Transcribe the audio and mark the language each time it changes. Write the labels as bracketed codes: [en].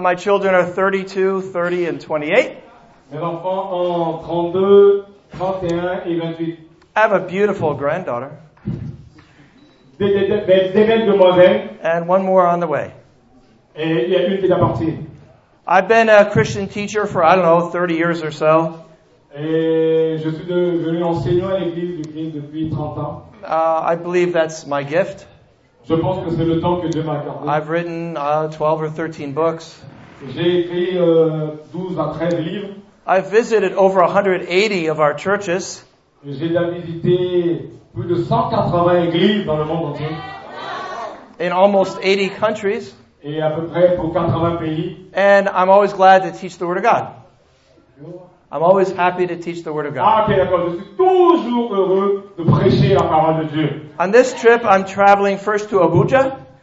[en] My children are 32, 30 and 28. [fr] Mes enfants ont 32, 31 et 28. [en] I have a beautiful granddaughter. [fr] Des belles demoiselles. [en] And one more on the way. [fr] Et il y a une qui est partie. [en] I've been a Christian teacher for, I don't know, 30 years or so. [fr] Et je suis devenu enseignant à l'église depuis 30 ans. [en] I believe that's my gift. [fr] Je pense que c'est le temps que Dieu m'a accordé. [en] I've written 12 or 13 books. [fr] J'ai écrit 12 à 13 livres. [en] I've visited over 180 of our churches. [fr] J'ai déjà visité plus de 180 églises dans le monde entier. [en] In almost 80 countries. [fr] Et à peu près pour 80 pays. [en] And I'm always glad to teach the word of God. I'm always happy to teach the word of God. [fr] Ah, okay, d'accord. Je suis toujours heureux de prêcher la parole de Dieu. [en] On this trip, I'm traveling first to Abuja.